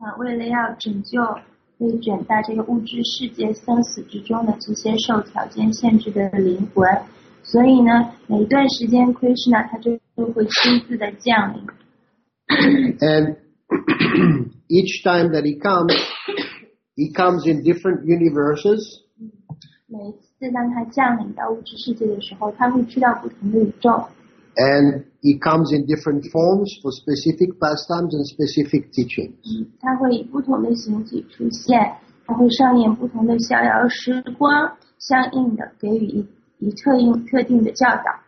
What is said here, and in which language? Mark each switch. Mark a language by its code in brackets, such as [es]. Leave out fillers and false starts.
[zh] 为了要拯救被卷在这个物质世界生死之中的这些受条件限制的灵魂，所以呢，每段时间 Krishna 他就会亲自的降临。 [en] And each time that he comes in different universes. [zh] 每次当他降临到物质世界的时候，他会去到不同的宇宙。 [en] And he comes in different forms for specific pastimes and specific teachings. [zh] 他会以不同的形体出现，他会上演不同的逍遥时光，相应的给予一特定的教导。